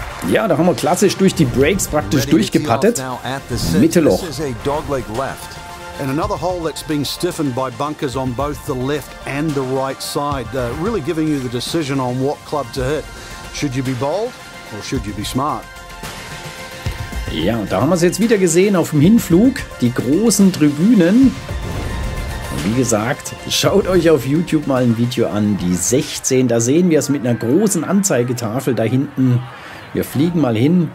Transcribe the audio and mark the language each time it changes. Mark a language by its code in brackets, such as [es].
[de] Ja, da haben wir klassisch durch die Breaks praktisch durchgepattet. Mitte Loch. [en] This is a dogleg left. And another hole that's being stiffened by bunkers on both the left and the right side, really giving you the decision on what club to hit. Should you be bold or should you be smart? [de] Ja, da haben wir es jetzt wieder gesehen auf dem Hinflug, die großen Tribünen. Und wie gesagt, schaut euch auf YouTube mal ein Video an, die 16. Da sehen wir es mit einer großen Anzeigetafel da hinten. Wir fliegen mal hin.